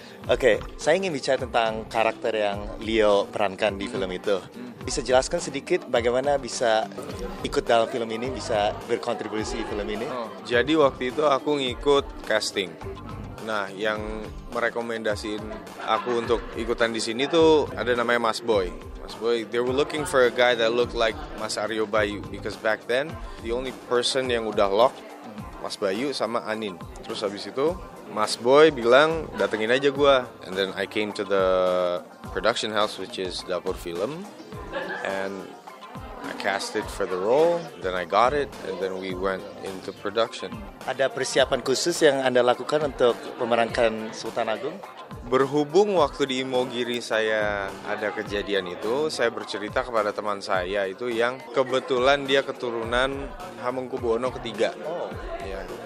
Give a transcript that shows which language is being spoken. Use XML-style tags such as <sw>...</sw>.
<id>Oke, saya ingin bicara tentang karakter yang Leo perankan di film itu. Bisa jelaskan sedikit bagaimana bisa ikut dalam film ini, bisa berkontribusi di film ini? Jadi waktu itu aku ngikut casting. Nah, yang merekomendasiin aku untuk ikutan di sini tuh ada namanya Mas Boy.</id> <en>Mas Boy, they were looking for a guy that looked like Mas Aryo Bayu. Because back then, the only person</en> <id>yang udah</id> <en>lock, Mas Bayu sama Anin.</en> <id>Terus habis itu, Mas Boy bilang, datengin aja gua.</id> <en>And then I came to the production house, which is Dapur Film. And I casted for the role, then I got it, and then we went into production.</en> <id>Ada persiapan khusus yang Anda lakukan untuk memerankan Sultan Agung? Berhubung waktu di Imogiri saya ada kejadian itu, saya bercerita kepada teman saya itu yang kebetulan dia keturunan Hamengkubuwono ketiga. Oh. Ya.</id>